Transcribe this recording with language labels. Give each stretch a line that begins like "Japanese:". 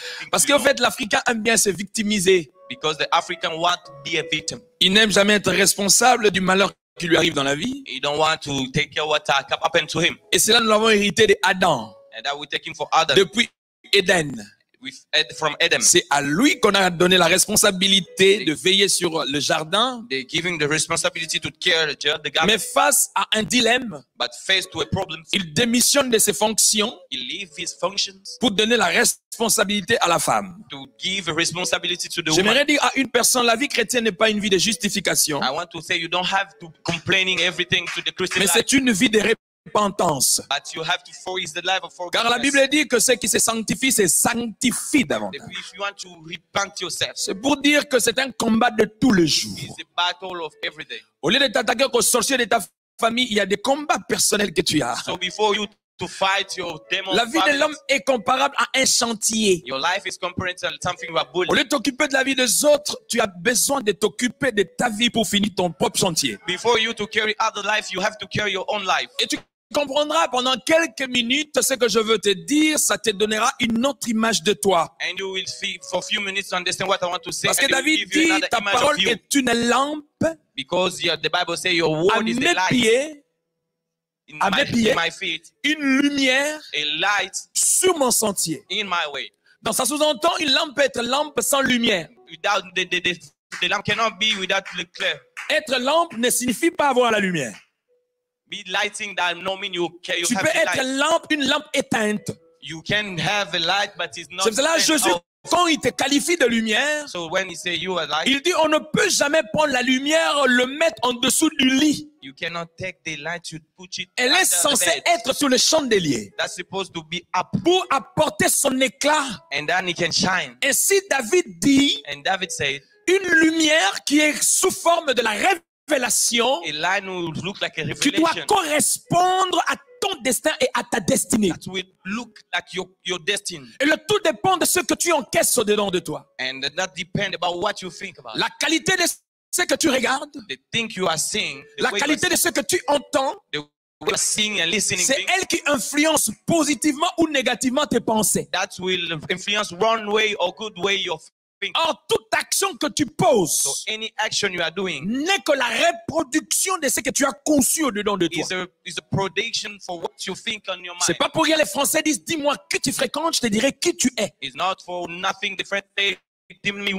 French: Parce qu'en fait, l'Africain aime bien se victimiser.
English: Because the African want to be a victim.
French: Il n'aime jamais être responsable du malheur qui lui arrive dans la vie.
English: He don't want to take care what happened to him.
French: Et cela, nous l'avons hérité de Adam.
English: And that we take him for Adam.
French: Depuis Eden.
English: From Adam.
French: C'est à lui qu'on a donné la responsabilité de veiller sur le jardin.
English: They're giving the responsibility to care the garden.
French: Mais face à un dilemme,
English: but face to a problem,
French: il démissionne de ses fonctions.
English: He leave his functions
French: pour donner la responsabilité à la femme.
English: To give responsibility to the
French: J'aimerais
English: woman.
French: Dire à une personne, la vie chrétienne n'est pas une vie de justification.
English: I want to say you don't have to complaining everything to the Christian.
French: Mais c'est une vie de repentance.
English: But you have to face the life of forgiveness.
French: Car la Bible dit que ceux qui se sanctifient davantage.
English: If you want to repent yourself,
French: c'est pour dire que c'est un combat de tous les jours.
English: It's a battle of every day.
French: Au lieu de t'attaquer aux sorciers de ta famille, il y a des combats personnels que tu as.
English: So before you to fight your demon.
French: La vie de l'homme est comparable à un chantier.
English: Your life is comparable to something you are building.
French: Au lieu de t'occuper de la vie des autres, tu as besoin de t'occuper de ta vie pour finir ton propre chantier.
English: Before you to carry other life, you have to carry your own life.
French: Et tu comprendras pendant quelques minutes ce que je veux te dire, ça te donnera une autre image de toi.
English: And you will see for few minutes to understand what I want to say.
French: Parce que David dit, ta parole est une lampe.
English: Because the Bible says your word is the light.
French: À mes pieds, une lumière,
English: a light,
French: sur mon sentier.
English: In my way.
French: Dans ça sous-entend, une lampe peut être lampe sans lumière.
English: Without the lamp cannot be without the clear.
French: Être lampe ne signifie pas avoir la lumière.
English: Be lighting that no mean you care.
French: Tu peux être lampe, une lampe éteinte.
English: You can have a light, but it's not.
French: C'est cela, Jésus. Quand il te qualifie de lumière,
English: so when he say you are light,
French: il dit on ne peut jamais prendre la lumière, le mettre en dessous du lit.
English: You cannot take the light, you put it.
French: Elle est censée être sur le chandelier.
English: That's supposed to be up.
French: Pour apporter son éclat.
English: And then he can shine.
French: Ainsi David dit.
English: And David said,
French: une lumière qui est sous forme de la révélation.
English: A light will look like a revelation.
French: Qui doit correspondre à ton destin et à ta destinée.
English: That will look like your destiny.
French: Et le tout dépend de ce que tu encaisses au-dedans de toi.
English: And that depends about what you think about.
French: La qualité de ce que tu regardes,
English: the thing you are seeing,
French: la qualité de ce que tu entends,
English: the way you are seeing and listening,
French: c'est elle qui influence positivement ou négativement tes pensées.
English: That will influence one way or good way your thinking.
French: Or, toute action que tu poses,
English: so any action you are doing,
French: n'est que la reproduction de ce que tu as conçu au-dedans de toi.
English: Is a production for what you think on your mind.
French: C'est pas pour rien les Français disent, dis-moi qui tu fréquentes, je te dirai qui tu es.
English: It's not for nothing the French say, tell me who.